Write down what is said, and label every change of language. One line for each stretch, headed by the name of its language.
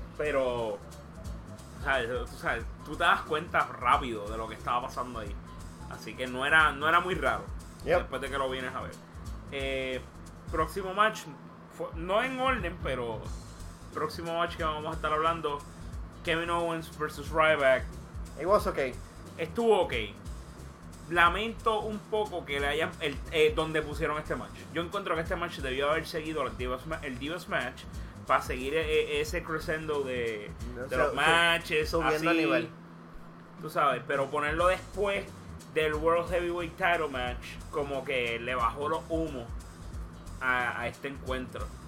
Spanish: Pero, tú sabes, tú te das cuenta rápido de lo que estaba pasando ahí. Así que no era muy raro.
English: Yep.
Spanish: Después de que lo vienes a ver. Próximo match, no en orden, pero próximo match que vamos a estar hablando. Kevin Owens versus Ryback.
English: It was okay.
Spanish: Estuvo okay. Lamento un poco que le hayan donde pusieron este match. Yo encuentro que este match debió haber seguido el Divas match para seguir ese crescendo de los matches subiendo así, el nivel. Tú sabes, pero ponerlo después del World Heavyweight Title match como que le bajó los humos a este encuentro.